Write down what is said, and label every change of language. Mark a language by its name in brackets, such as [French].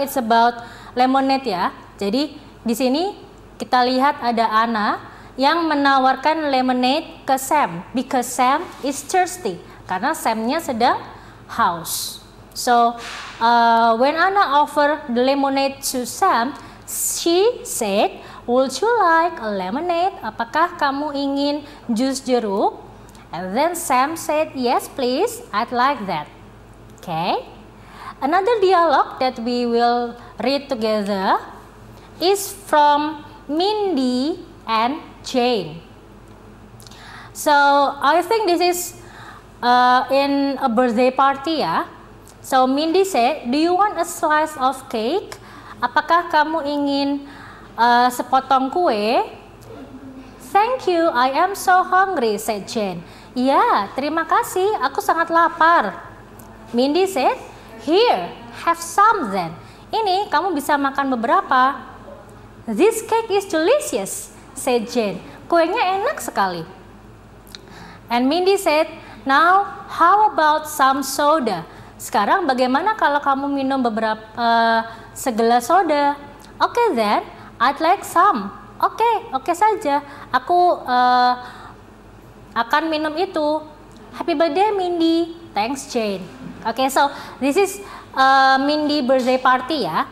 [English] It's about lemonade [Indonesian] ya. Jadi di sini kita lihat ada Anna yang menawarkan lemonade ke Sam [English] because Sam is thirsty, [Indonesian] karena Sam-nya sedang haus. [English] So when Anna offer the lemonade to Sam, she said, "Would you like a lemonade? [Indonesian] Apakah kamu ingin jus jeruk?" [English] And then Sam said, "Yes, please. I'd like that." Okay? Another dialogue that we will read together is from Mindy and Jane. So I think this is in a birthday party ya. So Mindy said, do you want a slice of cake? [Indonesian] Apakah kamu ingin sepotong kue? [English] Thank you, I am so hungry, said Jane. [Indonesian] Ya, terima kasih, aku sangat lapar. [English] Mindy said, here, have some then. [Indonesian] Ini, kamu bisa makan beberapa. [English] This cake is delicious, said Jane. [Indonesian] Kuenya enak sekali. [English] And Mindy said, now, how about some soda? [Indonesian] Sekarang, bagaimana kalau kamu minum beberapa segelas soda? [English] Okay then, I'd like some. Okay saja. [Indonesian] Aku akan minum itu. [English] Happy birthday, Mindy. Thanks, Jane. Okay, so this is Mindy birthday party ya.